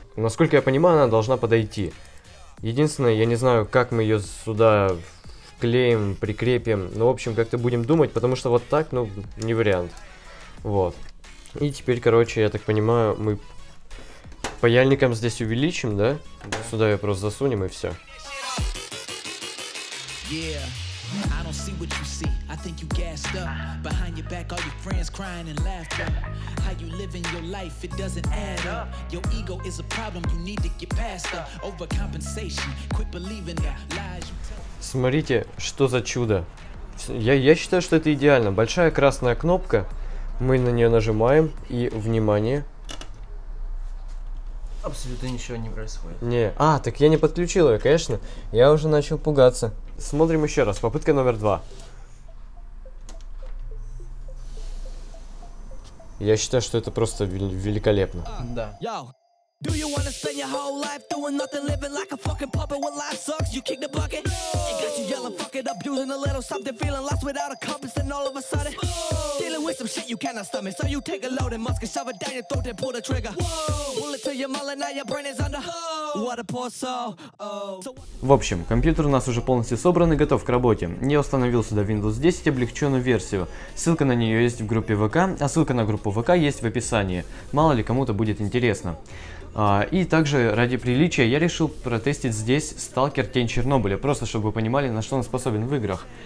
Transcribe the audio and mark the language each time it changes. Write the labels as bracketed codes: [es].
[ru] Насколько я понимаю, она должна подойти. Единственное, я не знаю, как мы ее сюда вклеим, прикрепим. Ну, в общем, как-то будем думать, потому что вот так, ну, не вариант. Вот. И теперь, короче, я так понимаю, мы паяльником здесь увеличим, да? Да. Сюда ее просто засунем и все. [en] Yeah, I don't see what you see. I think you gassed up. Behind your back, all your friends crying and laughing. How you living your life, it doesn't add up. Your ego is a problem, you need to get past her. Overcompensation, quit believing the lies you tell. [ru] Смотрите, что за чудо. Я считаю, что это идеально. Большая красная кнопка. Мы на нее нажимаем, и внимание. абсолютно ничего не происходит. Не, а, так я не подключил ее, конечно. Я уже начал пугаться. Смотрим еще раз, попытка номер два. Я считаю, что это просто великолепно. Да. [en] Do you wanna spend your whole life doing nothing, living like a fucking puppet when life sucks? You kick the bucket, no. It got you yelling, fuck it up, using a little something, feeling lost without a compass, and all of a sudden, smoke. Dealing with some shit you cannot stomach. So you take a load and musket, shove it down your throat, then pull the trigger. Whoa. Pull it to your mullet, now your brain is under. What a poor soul. Oh. [ru] В общем, компьютер у нас уже полностью собран и готов к работе. Я установил сюда Windows 10 облегченную версию. Ссылка на нее есть в группе ВК, а ссылка на группу ВК есть в описании. Мало ли кому-то будет интересно. И также ради приличия я решил протестить здесь Stalker Тень Чернобыля, просто чтобы вы понимали, на что он способен в играх.